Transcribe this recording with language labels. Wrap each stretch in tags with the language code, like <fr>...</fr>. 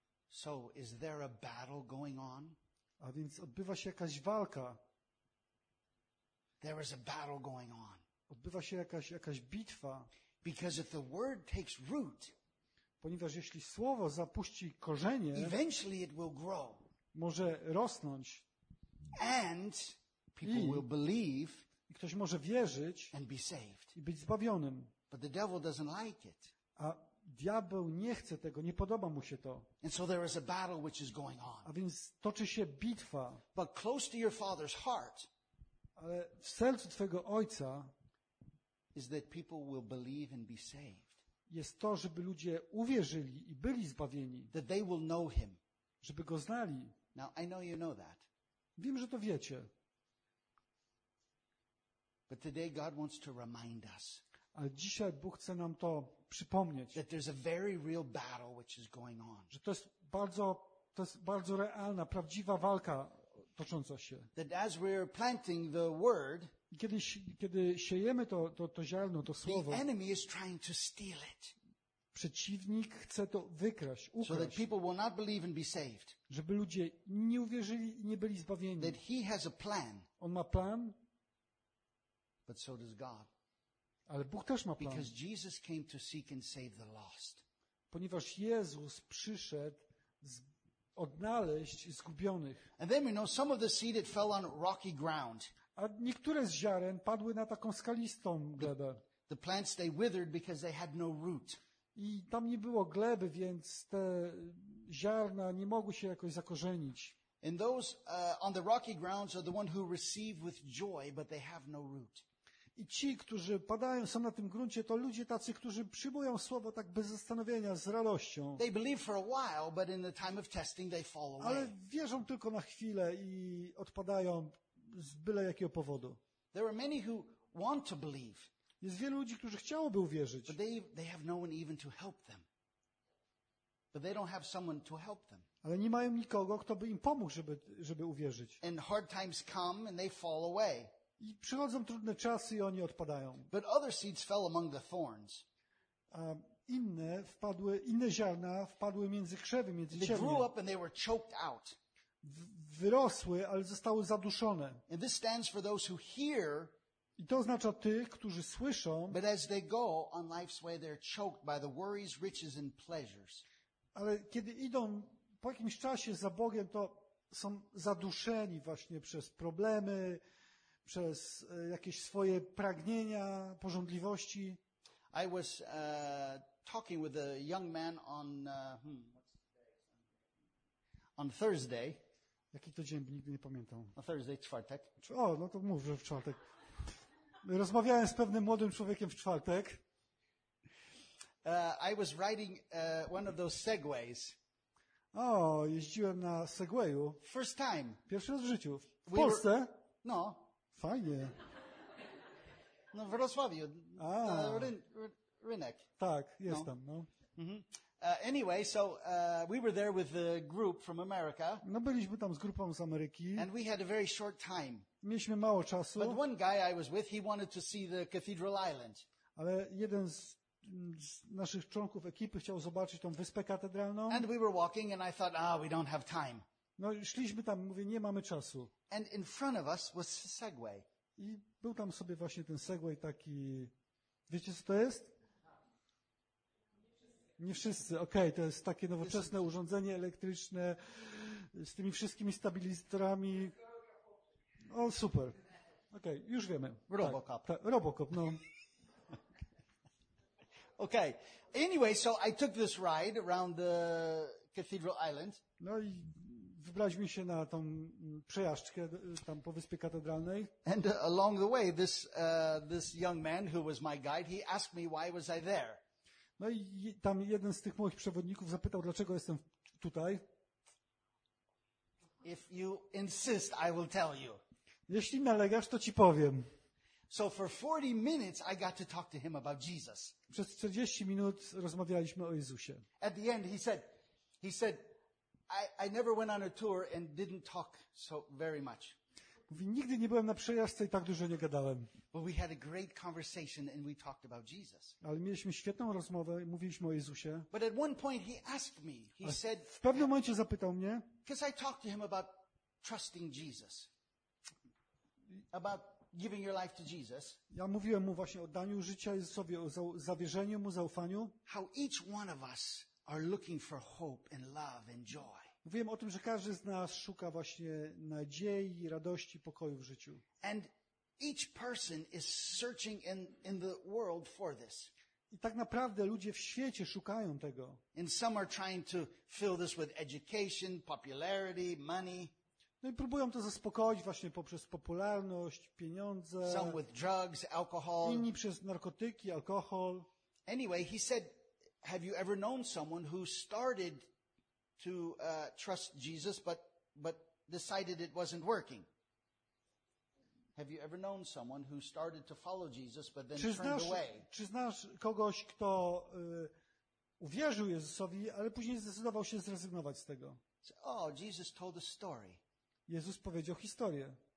<en>So is there a battle going on?</en> <pl>A więc odbywa się jakaś walka.</pl> <en>There is a battle going on.</en> <pl>Odbywa się jakaś bitwa.</pl> <en>Because if the word takes root,</en> <pl>ponieważ jeśli słowo zapuści korzenie,</pl> <en>eventually it will grow.</en> <pl>Może rosnąć.</pl> <en>And people will believe.</en> <pl>I ktoś może wierzyć i być zbawionym.</pl> <en>But the devil doesn't like it.</en> <pl>A diabeł nie chce tego, nie podoba mu się to.</pl> <en>And so there is a battle which is going on.</en> <pl>A więc toczy się bitwa.</pl> <en>But close to your father's heart,</en> <pl>ale w sercu twojego ojca</pl> <en>is that people will believe and be saved.</en> <pl>Jest to, żeby ludzie uwierzyli i byli zbawieni.</pl> <en>That they will know him.</en> <pl>Żeby go znali.</pl> <en>Now, I know you know that.</en> <pl>Wiem, że to wiecie.</pl> <en>But today God wants to remind us.</en> <pl>A dzisiaj Bóg chce nam to przypomnieć.</pl> <en>That there's a very real battle which is going on.</en> <pl>Że to jest bardzo realna, prawdziwa walka tocząca się.</pl> <en>That as we're planting the word,</en> <pl>kiedy siejemy to ziarno, to słowo,</pl> <en>the enemy is trying to steal it.</en> <pl>Przeciwnik chce to wykraść, ukraść.</pl> <en>So that people will not believe and be saved.</en> <pl>Żeby ludzie nie uwierzyli i nie byli zbawieni.</pl> <en>That he has a plan.</en> <pl>On ma plan.</pl> <en>But so does God.</en> <pl>Ale Bóg też ma plan.</pl> <en>Because Jesus came to seek and save the lost.</en> <pl>Ponieważ Jezus przyszedł odnaleźć zgubionych.</pl> <en>And then we know some of the seed that fell on rocky ground.</en> <pl>A niektóre z ziaren padły na taką skalistą glebę.</pl> <en>The plants they withered because they had no root.</en> <pl>I tam nie było gleby, więc te ziarna nie mogły się jakoś zakorzenić.</pl> <en>And those on the rocky grounds are the one who receive with joy, but they have no root.</en> <pl>I ci, którzy padają, są na tym gruncie, to ludzie tacy, którzy przyjmują słowo tak bez zastanowienia, z radością.</pl> <en>They believe for a while, but in the time of testing they fall away.</en> <pl>Ale wierzą tylko na chwilę i odpadają z byle jakiego powodu.</pl> <en>There are many who want to believe.</en> <pl>Jest wielu ludzi, którzy chciałoby uwierzyć.</pl> <en>But they have no one even to help them. But they don't have someone to help them.</en> <pl>Ale nie mają nikogo, kto by im pomógł, żeby uwierzyć.</pl> <en>And hard times come and they fall away.</en> <pl>I przychodzą trudne czasy i oni odpadają.</pl> <en>But other seeds fell among the thorns.</en> <pl>Inne ziarna wpadły między krzewy, między ciemię.</pl> <en>They grew up and they were choked out.</en> <pl>Wyrosły, ale zostały zaduszone.</pl> <en>And this stands for those who hear.</en> <pl>I to oznacza tych, którzy słyszą.</pl> <en>But as they go on life's way, they're choked by the worries, riches and pleasures.</en> <pl>Ale kiedy idą po jakimś czasie za Bogiem, to są zaduszeni właśnie przez problemy, przez jakieś swoje pragnienia, pożądliwości.</pl> <en>I was talking with a young man on on Thursday.</en> <pl>Jaki to dzień, nigdy nie pamiętam.</pl> <en>On Thursday, czwartek.</en> <pl>O, no to mów, że w czwartek. Rozmawiałem z pewnym młodym człowiekiem w czwartek.</pl> <en>I was riding one of those segways.</en> <pl>O, jeździłem na segwayu.</pl> <en>First time.</en> <pl>Pierwszy raz w życiu. W Polsce? No. Fajnie. No w Wrocławiu. A. Rynek. Tak, jestem. No. Mm-hmm.</pl> <en>Anyway, so we were there with a group from America.</en> <pl>No byliśmy tam z grupą z Ameryki.</pl> <en>And we had a very short time.</en> <pl>Mieliśmy mało czasu.</pl> <en>But one guy I was with, he wanted to see the Cathedral Island.</en> <pl>Ale jeden z naszych członków ekipy chciał zobaczyć tą wyspę katedralną.</pl> <en>And we were walking and I thought, ah, we don't have time.</en> <pl>No szliśmy tam, mówię, nie mamy czasu.</pl> <en>And in front of us was a Segway.</en> <pl>I był tam sobie właśnie ten Segway taki, wiecie co to jest? Nie wszyscy, okej, okay, to jest takie nowoczesne urządzenie elektryczne z tymi wszystkimi stabilizatorami. O, super. Okej, okay, już wiemy.</pl> <en>Robocop.</en> <pl>Tak, Robocop, no.</pl> <en>Okay. Anyway, so I took this ride around the Cathedral Island.</en> <pl>No i wybraliśmy się na tą przejażdżkę tam po wyspie katedralnej.</pl> <en>And along the way this young man who was my guide, he asked me why was I there.</en> <pl>No i tam jeden z tych moich przewodników zapytał, dlaczego jestem tutaj.</pl> <en>If you insist, I will tell you.</en> <pl>Jeśli nalegasz, to ci powiem.</pl> <en>So for 40 minutes I got to talk to him about Jesus.</en> <pl>Przez 40 minut rozmawialiśmy o Jezusie.</pl> <en>At the end he said I never went on a tour and didn't talk so very much.</en> <pl>Mówi, nigdy nie byłem na przejażdżce i tak dużo nie gadałem.</pl> <en>But we had a great conversation and we talked about Jesus.</en> <pl>Ale mieliśmy świetną rozmowę i mówiliśmy o Jezusie.</pl> <en>But at one point he asked me. He said</en> <pl>w pewnym momencie zapytał mnie.</pl> <en>Because I talked to him about trusting Jesus. About giving your life to Jesus.</en> <pl>Ja mówiłem mu właśnie o daniu życia Jezusowi, o zawierzeniu mu, zaufaniu.</pl> <en>How each one of us are looking for hope and love and joy.</en> <pl>Mówiłem o tym, że każdy z nas szuka właśnie nadziei, radości, pokoju w życiu.</pl> <en>And each person is searching in the world for this.</en> <pl>I tak naprawdę ludzie w świecie szukają tego.</pl> <en>And some are trying to fill this with education, popularity, money.</en> <pl>No i próbują to zaspokoić właśnie poprzez popularność, pieniądze.</pl> <en>Some with drugs, alcohol.</en> <pl>Inni przez narkotyki, alkohol.</pl> <en>Anyway, he said, have you ever known someone who started to trust Jesus but decided it wasn't working? Have you ever known someone who started to follow Jesus but then turned away?</en> <pl>Czy znasz kogoś, kto uwierzył Jezusowi, ale później zdecydował się zrezygnować z tego?</pl> <en>Oh, Jesus told a story.</en> <pl>Jezus powiedział historię</pl>